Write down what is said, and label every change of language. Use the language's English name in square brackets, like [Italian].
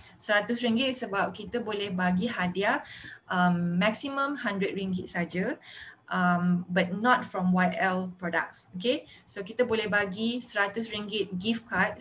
[Malay] RM100 sebab kita boleh bagi hadiah maximum RM100 saja. [English] But not from YL products, okay? [Malay] So kita boleh bagi RM100 gift card.